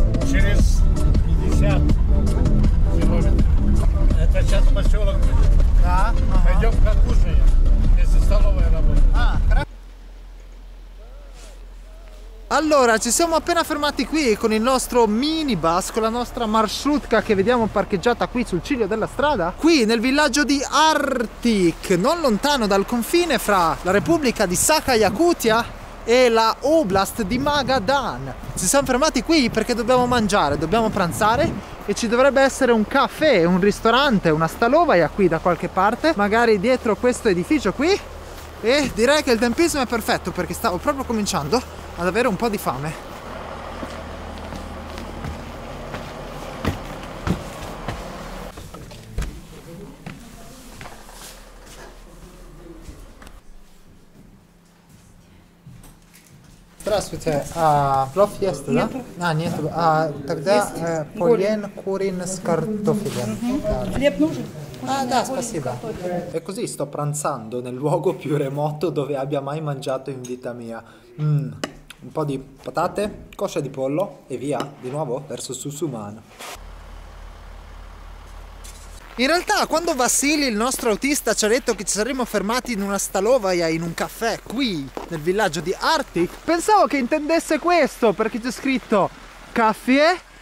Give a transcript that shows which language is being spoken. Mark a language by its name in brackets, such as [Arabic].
[Russian] Через 50 км. Это сейчас поселок будет. Да? Пойдем покушаем. Здесь столовая работает. А, хорошо. [Italian] Allora, ci siamo appena fermati qui con il nostro minibus, con la nostra marshrutka che vediamo parcheggiata qui sul ciglio della strada, qui nel villaggio di Artik, non lontano dal confine fra la Repubblica di Sakha Yakutia e la Oblast di Magadan. Ci siamo fermati qui perché dobbiamo mangiare, dobbiamo pranzare e ci dovrebbe essere un caffè, un ristorante, una stalovaia qui da qualche parte, magari dietro questo edificio qui. E direi che il tempismo è perfetto perché stavo proprio cominciando ad avere un po' di fame. [Russian] Здравствуйте, плов есть, да? А, нет, а тогда полен курин с картофелем. Хлеб нужен? Ah, da, spasiba. [Italian] E così sto pranzando nel luogo più remoto dove abbia mai mangiato in vita mia. Un po' di patate, coscia di pollo e via, di nuovo verso Susuman. In realtà, quando Vassili, il nostro autista, ci ha detto che ci saremmo fermati in una stalovaia, in un caffè, qui, nel villaggio di Artik, pensavo che intendesse questo, perché c'è scritto caffè.